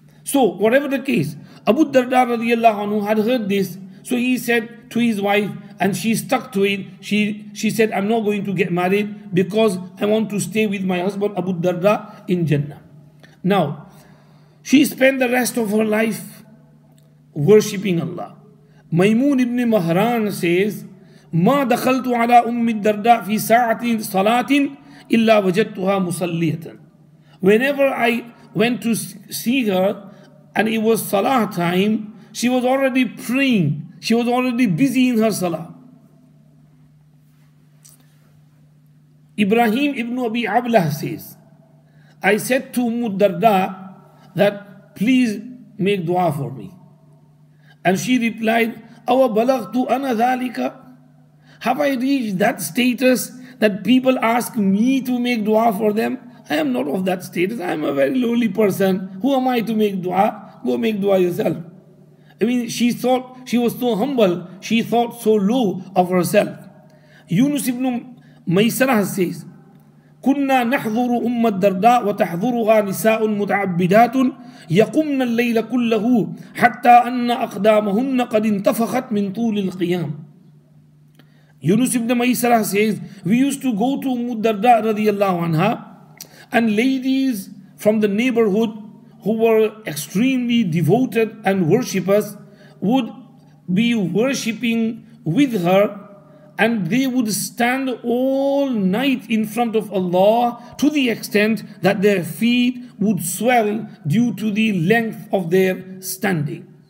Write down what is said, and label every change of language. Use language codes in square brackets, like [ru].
[en] So whatever the case, Abu Darda radiallahu anhu had heard this. So he said to his wife, and she stuck to it. She said, I'm not going to get married because I want to stay with my husband Abu Darda in Jannah. Now, she spent the rest of her life worshipping Allah. [ar] Maymun ibn Mahran says, مَا دَخَلْتُ عَلَىٰ أُمِّ الدَّرْدَىٰ فِي سَاعَةٍ صَلَاةٍ إِلَّا وَجَدْتُهَا مُصَلِّيَةً. [en] Whenever I went to see her and it was salah time, she was already praying. She was already busy in her salah. Ibrahim ibn Abi Ablah says, I said to Umm al-Darda that please make dua for me. And she replied, [ar] Awa balaghtu ana dhalika? [en] Have I reached that status that people ask me to make dua for them? I am not of that status. I am a very lowly person. Who am I to make dua? Go make dua yourself. I mean, she thought, she was so humble, she thought so low of herself. [ar] Yunus ibn Maysarah says, كنا نحضر أم الدرداء وتحضرها نساء متعبدات يقمن الليل كله حتى أن أقدامهن قد انتفخت من طول القيام. [en] Yunus ibn Maysarah says, we used to go to Umm al-Darda radiallahu anha, and ladies from the neighborhood who were extremely devoted and worshippers would be worshipping with her, and they would stand all night in front of Allah to the extent that their feet would swell due to the length of their standing.